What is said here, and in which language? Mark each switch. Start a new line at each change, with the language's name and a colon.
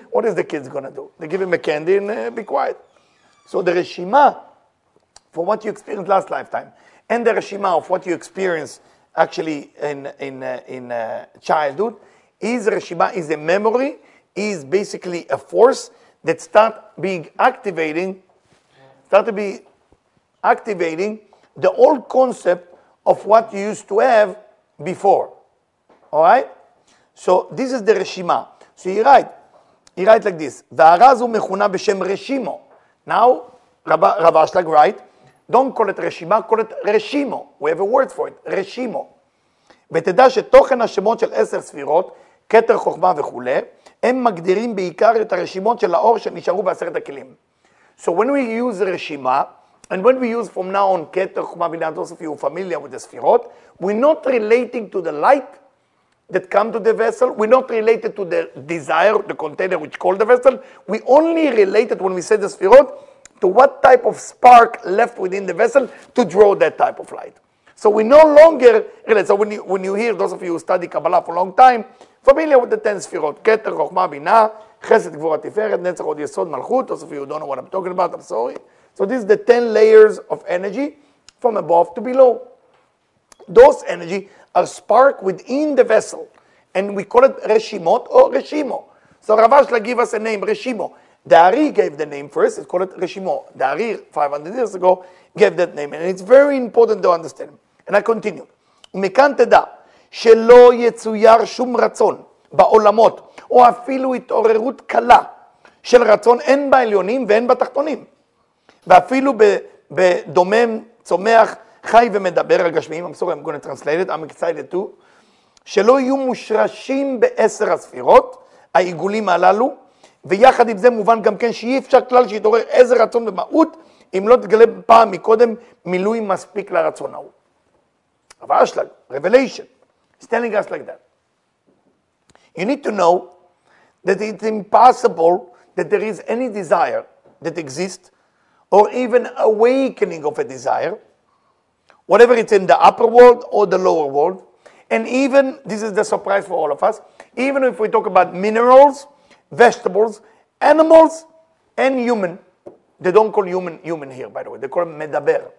English: What is the kids going to do? They give him a candy and be quiet. So the reshima for what you experienced last lifetime and the reshima of what you experienced actually in childhood is reshima, is a memory, is basically a force that start being activating, start to be activating the old concept of what you used to have before. All right? So this is the reshima. So you write, like this.
Hebrew: V'arazu mechuna b'shem reshimo.
English: Now, Rav Ashlag write, don't call it reshima, call it reshimo. We have a word for it, reshimo.
Hebrew: ותדע שתוכן השמות של עשר ספירות, כתר חוכמה וכו', הם מגדירים בעיקר את הרשימות של האור שנשארו בעשרת הכלים.
English: So when we use reshima, and when we use from now on
Hebrew: כתר חוכמה ובינת אוסף,
English: you're familiar with the ספירות, we're not relating to the light that come to the vessel, we're not related to the desire, the container which called the vessel, we only related, when we say the ספירות, to what type of spark left within the vessel to draw that type of light. So we no longer, really, so when you hear, those of you who study Kabbalah for a long time, familiar with the 10 ספירות,
Hebrew: כתר, חוכמה, בינה, חסד, גבורה, תפארת, נצח, עוד יסוד, מלכות,
English: those of you who don't know what I'm talking about, I'm sorry. So this is the 10 layers of energy from above to below. Those energy are spark within the vessel. And we call it Reshimot or Reshimo. So Rav Ashlag gave us a name, Reshimo. Dari gave the name first, it's called it Reshimo. Dari, 500 years ago, gave that name. And it's very important to understand. And I continue.
Hebrew: ומכאן תדע שלא יצויר שום רצון בעולמות, או אפילו התעוררות קלה של רצון, אין בעליונים ואין בתחתונים. ואפילו בדומם, צומח, חי ומדבר הגשמיים,
English: I'm sorry, I'm going to translate it, I'm excited too,
Hebrew: שלא יהיו מושרשים בעשר הספירות, העיגולים הללו, ויחד עם זה מובן גם כן שאי אפשר כלל שיתעורר איזה רצון במהות, אם לא תגלה פעם מקודם מילוי מספיק לרצון ההוא. אבל אשלג,
English: revelation, it's telling us like that. You need to know that it's impossible that there is any desire that exists, or even awakening of a desire, whatever it's in the upper world or the lower world, and even, this is the surprise for all of us, even if we talk about minerals, vegetables, animals, and human, they don't call human human here, by the way, they call them medaber.